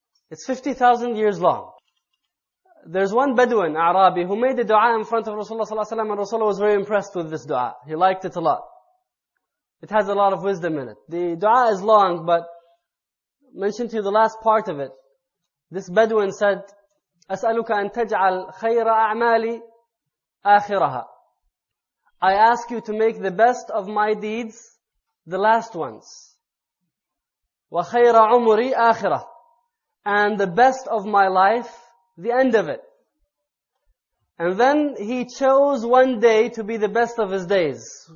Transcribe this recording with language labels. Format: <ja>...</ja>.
<en>It's 50,000 years long. There's one Bedouin, Arabi, who made a dua in front of Rasulullah sallallahu alaihi wasallam, and Rasulullah was very impressed with this dua. He liked it a lot. It has a lot of wisdom in it. The dua is long, but mentioned to you the last part of it. This Bedouin said,</en> <ar>أَسْأَلُكَ أَن تَجْعَلْ خَيْرَ أَعْمَالِ آخِرَهَا.</ar> <en>I ask you to make the best of my deeds the last ones.</en> <ar>وَخَيْرَ عُمُرِي آخِرَهَا.</ar> <en>And the best of my life, the end of it. And then he chose one day to be the best of his days.</en>